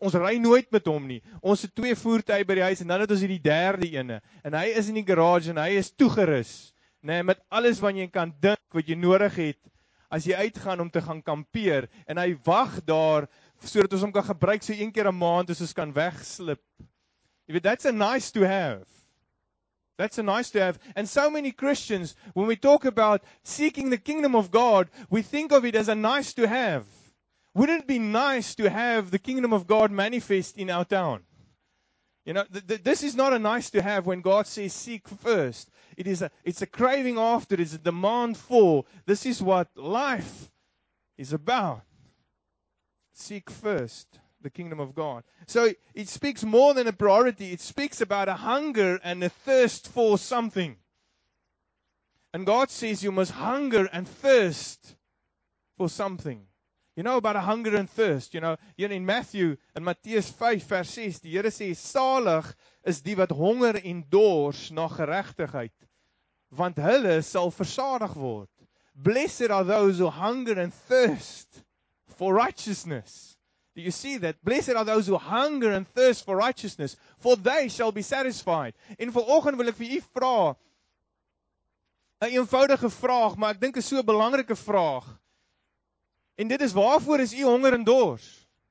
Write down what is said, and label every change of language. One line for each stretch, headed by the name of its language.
Afrikaans: Ons ry nooit met hom nie. Ons het 2 voertuie by die huis en dan het ons hierdie derde ene. En hy is in die garage en hy is toegerus, nee, met alles wat jy kan dink wat jy nodig het as jy uitgaan om te gaan kampeer, en hy wag daar sodat ons hom kan gebruik so 1 keer 'n maand as ons kan wegslip.
English: You know, that's a nice to have. That's a nice to have. And so many Christians, when we talk about seeking the kingdom of God, we think of it as a nice to have. Wouldn't it be nice to have the kingdom of God manifest in our town? You know, this is not a nice to have when God says seek first. It's a craving after, it's a demand for. This is what life is about. Seek first the kingdom of God. So it speaks more than a priority. It speaks about a hunger and a thirst for something. And God says you must hunger and thirst for something. You know about a hunger and thirst. You know, here in Matthew and
Afrikaans: Matthäus 5 vers 6, die Here sê, salig is die wat honger en dors na geregtigheid, want hulle sal versadig word.
English: Blessed are those who hunger and thirst for righteousness. Do you see that? Blessed are those who hunger and thirst for righteousness, for they shall be satisfied.
Afrikaans: En vanoggend wil ek vir u vra 'n eenvoudige vraag, maar ek dink is so 'n belangrike vraag. En dit is, waarvoor is u honger en dors?